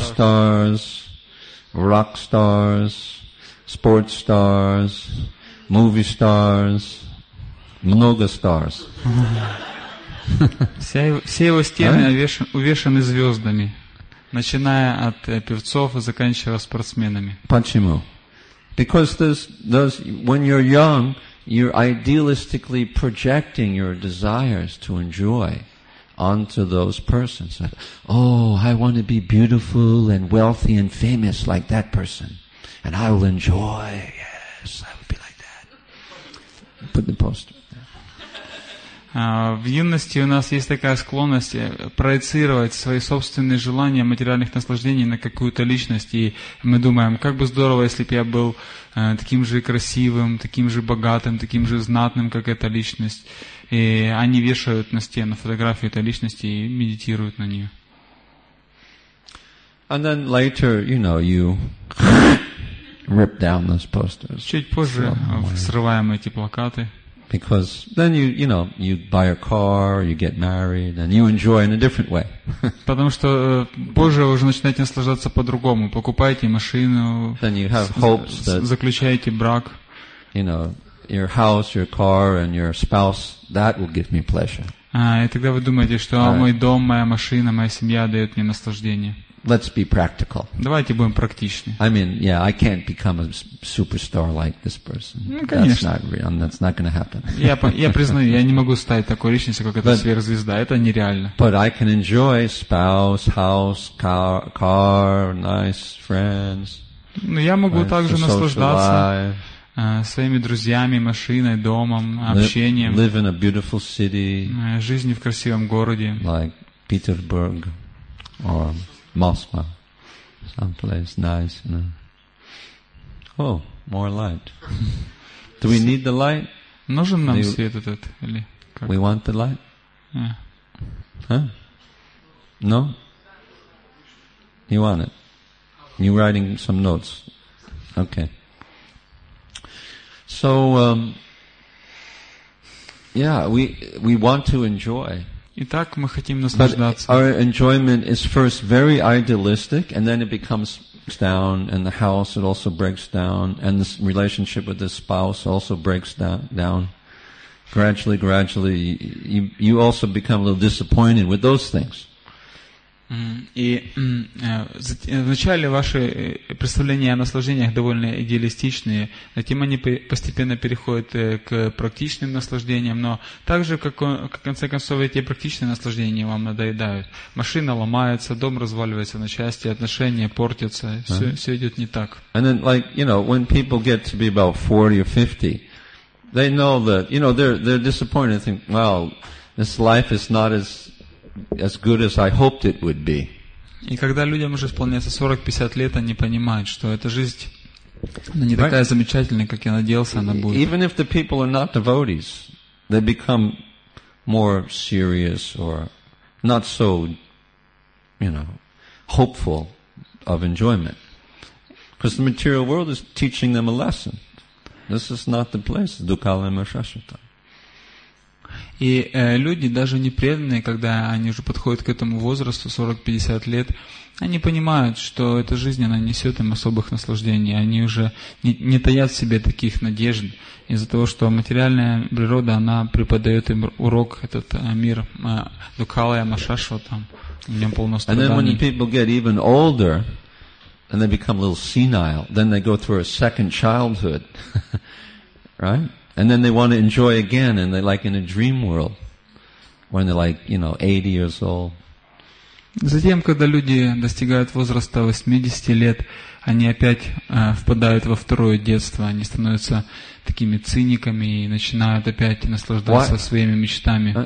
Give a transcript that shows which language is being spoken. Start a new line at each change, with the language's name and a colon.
English: stars. Pop stars, rock stars, sports stars, movie stars,
Russian: много
English: stars.
Russian: Все его стены увешаны звездами, начиная от певцов и заканчивая спортсменами. Почему?
English: Because those when you're young, you're idealistically projecting your desires to enjoy onto those persons. Oh, I want to be beautiful and wealthy and famous like that person. And I will enjoy. Yes, I will be like that. Put the poster.
Russian: В юности у нас есть такая склонность проецировать свои собственные желания материальных наслаждений на какую-то личность. И мы думаем, как бы здорово, если бы я был таким же красивым, таким же богатым, таким же знатным, как эта личность. И они вешают на стену фотографию этой личности и медитируют на нее.
English: And then later, you know, you rip down those posters.
Russian: Чуть позже срываем эти плакаты.
English: Because then you know, you buy a car, you get married, and you enjoy in a different way.
Russian: Потому что позже вы уже начинаете наслаждаться по-другому. Покупаете машину, заключаете брак.
English: You know, your house, your car, and your spouse, that will give me pleasure.
Russian: И тогда вы думаете, что мой дом, моя машина, моя семья дает мне наслаждение.
English: Let's be practical.
Russian: Давайте будем практичны.
English: I mean, yeah, I can't become a superstar like this person.
Russian: Ну, конечно.
English: That's not real. That's not going to happen.
Russian: Я признаю, я не могу стать такой личностью, как эта сверхзвезда. Это нереально.
English: But I can enjoy spouse, house, car, nice friends.
Russian: Ну, я могу также наслаждаться своими друзьями, машиной, домом, общением.
English: Live in a beautiful city.
Russian: Жизнь в красивом городе.
English: Like Petersburg or Moscow, some place nice, you know. Oh, more light. Do we need the light?
Russian: Нужен нам свет этот или как?
English: We want the light. Yeah. Huh? No. You want it? You writing some notes? Okay. So, we want to enjoy.
Russian: Итак, мы хотим наслаждаться.
English: Our enjoyment is first very idealistic, and then it becomes down, and the house it also breaks down, and this relationship with the spouse also breaks down. Gradually, you also become a little disappointed with those things.
Russian: И вначале ваши представления о наслаждениях довольно идеалистичные, затем они постепенно переходят к практичным наслаждениям, но также, как в конце концов, эти практичные наслаждения вам надоедают. Машина ломается, дом разваливается на части, отношения портятся, все идет не так.
English: And then, like, you know, when people get to be about 40 or 50, they know that, you know, they're disappointed and think, well, this life is not as good as I hoped it would be.
Russian: И когда людям уже исполняется 40-50 лет, они понимают, что эта жизнь не такая замечательная, как я надеялся, она будет.
English: Even if the people are not devotees, they become more serious or not so, you know, hopeful of enjoyment. Because the material world is teaching them a lesson. This is not the place, Dukkhalaya Mahasaśvata.
Russian: И люди, даже непреданные, когда они уже подходят к этому возрасту, 40-50 лет, они понимают, что эта жизнь, она несет им особых наслаждений. Они уже не таят в себе таких надежд из-за того, что материальная природа, она преподает им урок, этот мир Дукхалая Махашвата, в нем полно страданий.
English: And then when people get even older, and they become a little senile, then they go through a second childhood, right? And then they want to enjoy again, and they're like in a dream world when they're like, you know, 80 years old.
Russian: Затем, когда люди достигают возраста 80 лет, они опять впадают во второе детство, они становятся такими циниками и начинают опять наслаждаться своими мечтами.